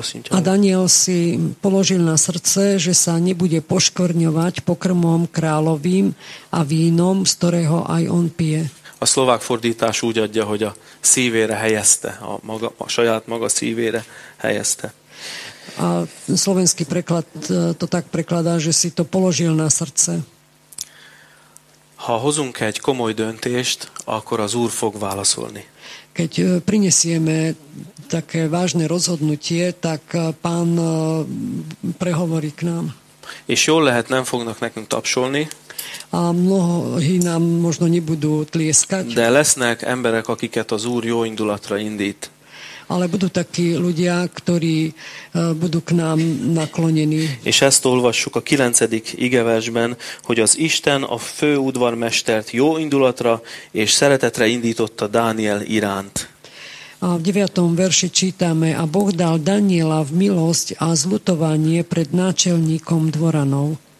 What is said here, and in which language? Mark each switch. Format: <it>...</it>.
<sk>A Daniel si položil na srdce, že sa nebude poškorňovať pokrmom královým a vínom, z ktorého aj on pije.</sk> <hu>A szlovák fordítás úgy adja, hogy a szívére helyezte, a saját maga szívére helyezte.</hu> <sk>A slovenský preklad to tak prekladá, že si to položil na srdce.</sk> <hu>Ha hozunk egy komoly döntést, akkor az Úr fog válaszolni.</hu> <sk>Keď prinesieme také vážne rozhodnutie, tak Pán prehovorí k nám.</sk> <hu>És jól lehet, nem fognak nekünk tapsolni.</hu> <sk>A mnohí nám možno nebudú tlieskať.</sk> <hu>De lesznek emberek, akiket az Úr jó indulatra indít.</hu> <sk>Ale budú takí ľudia, ktorí budú k nám naklonení.</sk> <hu>És ezt olvassuk a 9. igeversben, hogy az Isten a fő udvarmestert jó indulatra és szeretetre indította Dániel iránt.</hu> <sk>A v 9. verši čítame, a Boh dal Daniela v milosť a zľutovanie pred náčelníkom dvoranov.</sk>